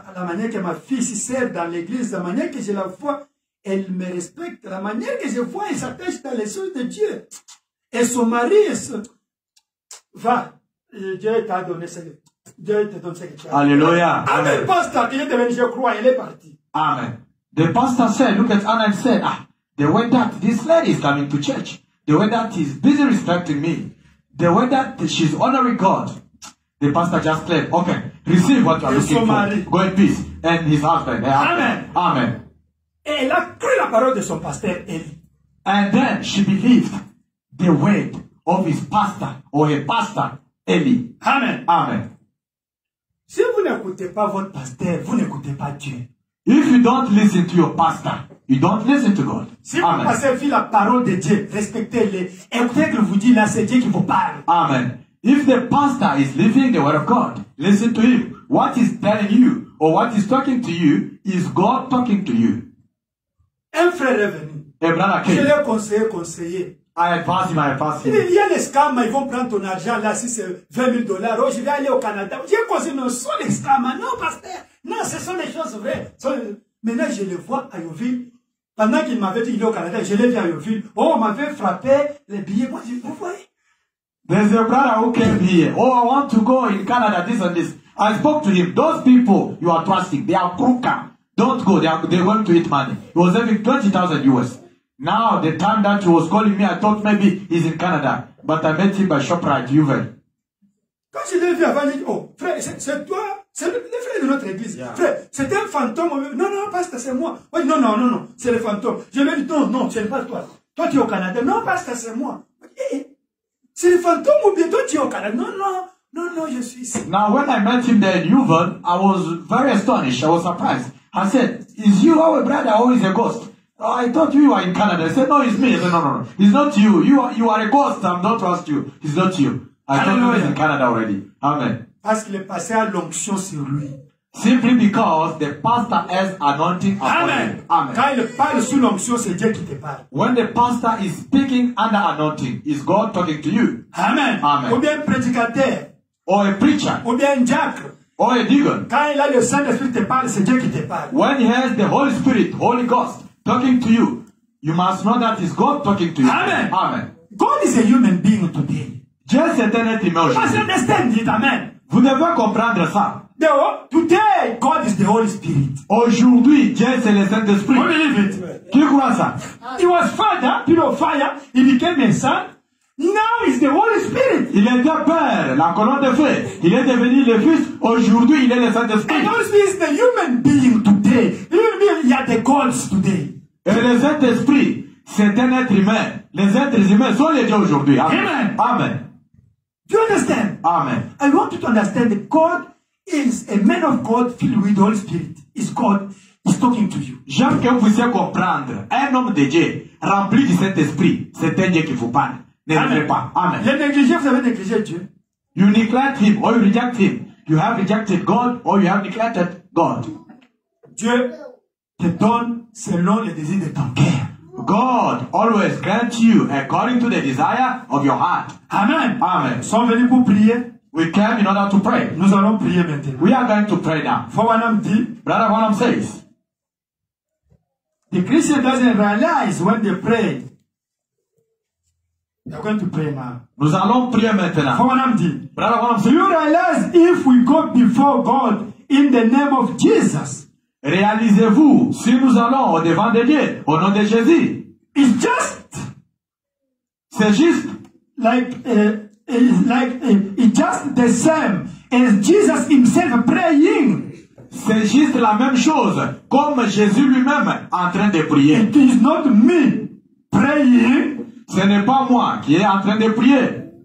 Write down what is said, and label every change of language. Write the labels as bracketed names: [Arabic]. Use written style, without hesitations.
[French] La manière que ma fille sert dans l'église, la manière que je la vois, elle me respecte. La manière que je vois, elle s'attache dans les choses de Dieu. Et son mari, va. Dieu t'a donné ce que Dieu te donne ce que tu as. Alléluia. Amen. Le pasteur, il est devenu, je crois, il est parti. Amen. [English] The pastor said, look at Anne and said, ah, the way that this lady is coming to church. The way that he's busy respecting me. The way that she's honoring God. The pastor just claimed, okay, receive what you are looking for. Go in peace. And his husband. Amen. Amen. [French] Et elle a cru la parole de son pasteur. [English] And then she believed the word of his pastor or her pastor, Eli. Amen. Amen. [French] Si vous n'écoutez pas votre pasteur, vous n'écoutez pas Dieu. [English] If you don't listen to your pastor, you don't listen to God. [French] Si vous Amen. Passez la parole de Dieu, respectez-le. Écoutez que vous dites là, c'est Dieu qui vous parle. Amen. [English] If the pastor is living the word of God, listen to him. What he's telling you or what he's talking to you is God talking to you. [French] Un frère est venu. [English] A brother came. [French] Je l'ai conseillé. [English] I advise him. [French] Il y a les scams, ils vont prendre ton argent là, si c'est 20 000 $. Oh, je vais aller au Canada. J'ai conseillé, non, ce sont les scams. Non, pasteur. Non, ce sont les choses vraies. Maintenant, je le vois à Yoville. Pendant qu'il m'avait dit qu'il est au Canada, je l'ai vu à Yoville. Oh, on m'avait frappé les billets. Moi, je dis, vous voyez? [English] There's a brother who came here. Oh, I want to go in Canada, this and this. I spoke to him. Those people you are trusting, they are crooked. Don't go. They want to eat money. He was having 20,000 US. Now, the time that he was calling me, I thought maybe he's in Canada. But I met him by ShopRite, Yuvel. [French] Quand je l'ai vu avant, j'ai dit, oh, frère, c'est toi, c'est le frère de notre église. Yeah. Frère, c'est un fantôme. Non, non, pasteur, c'est moi. Oui, non, non, non, non, c'est le fantôme. Je lui ai dit, non, non, ce n'est pas toi. Toi, tu es au Canada. Non, pasteur, c'est moi. Okay. C'est le fantôme ou bien toi, tu es au Canada. Non, non, non, non, je suis ici. [English] Now, when I met him there in Yuvel, I was very astonished. I was surprised. I said, is you our brother or is a ghost? Oh, I thought you were in Canada. I said, no, it's me. He said, no, no, no. It's not you. You are a ghost. I don't trust you. It's not you. I thought you were in Canada already. Amen. [French] Parce qu'il est passé à l'onction sur lui. [English] Simply because the pastor has anointing upon him. Amen. Amen. [French] Quand il parle sous l'onction, c'est Dieu qui te parle. [English] When the pastor is speaking under anointing, is God talking to you? Amen. Amen. [French] Ou bien prédicateur. [English] Or a preacher. [French] Ou bien diacre. [English] Or a deacon. [French] Quand il a le Saint-Esprit te parle, c'est Dieu qui te parle. [English] When he has the Holy Spirit, Holy Ghost, talking to you, you must know that it's God talking to you. Amen. Amen. God is a human being today. Just a tenet emotion. Must understand it. Amen. [French] Vous devez comprendre ça. [English] Today, God is the Holy Spirit. [French] Aujourd'hui, Dieu c'est le Saint-Esprit. [English] Don't believe it. [French] Qui croit ça? [English] He was Father, pure of fire. He became a son. Now he's the Holy Spirit. [French] Il était Père, la colonne de feu. Il est devenu le Fils. Aujourd'hui, il est le Saint-Esprit. [English] And also, he's the human being today. Human being, he had the gods today. [French] Et le Saint-Esprit, c'est un être humain. Les êtres humains sont les dieux aujourd'hui. Amen. Amen. Amen. [English] Do you understand? Amen. I want you to understand that God is a man of God filled with the Holy Spirit. It's God. He's talking to you. [French] J'aime que vous puissiez comprendre. Un homme de Dieu rempli du Saint-Esprit, c'est un Dieu qui vous parle. N'aimerez pas. Amen. Le négligé, vous avez négligé Dieu. [English] You neglect him or you reject him. You have rejected God or you have neglected God. [French] Dieu te donne selon les désirs de ton cœur. [English] God always grants you according to the desire of your heart. Amen. Amen. [French] Nous sommes venus pour prier. [English] We came in order to pray. [French] Nous allons prier maintenant. [English] We are going to pray now. For what I'm dit, Brother Branham says, the Christian doesn't realize when they pray. We are going to pray now. [French] Nous allons prier maintenant. [English] For what I'm dit, Brother Branham says, do you realize if we go before God in the name of Jesus? [French] Réalisez-vous si nous allons au devant de Dieu au nom de Jésus. [English] It's just, [French] c'est juste, [English] it's just the same as Jesus himself praying. [French] C'est juste la même chose comme Jésus lui-même en train de prier. [English] It is not me praying. [French] Ce n'est pas moi qui est en train de prier.